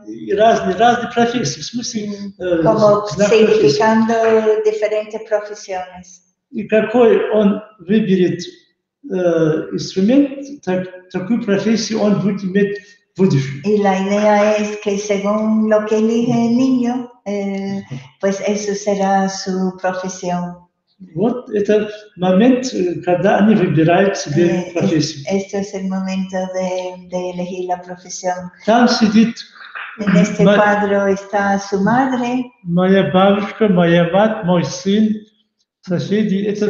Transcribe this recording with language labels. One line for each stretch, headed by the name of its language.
Russian: Y разные профессии, в смысле,
Spanish: como significando diferentes profesiones.
Russian: Y какой он выберет инструмент, такую профессию он будет иметь в будущем.
Spanish: Y la idea es que según lo que elige el niño, pues eso será su profesión.
Russian: Вот это момент, когда они выбирают себе профессию.
Spanish: Este es el momento de elegir la profesión.
Russian: Там сидит...
Spanish: En este cuadro está su madre.
Russian: Моя бабушка, моя мать, мой сын, соседи, это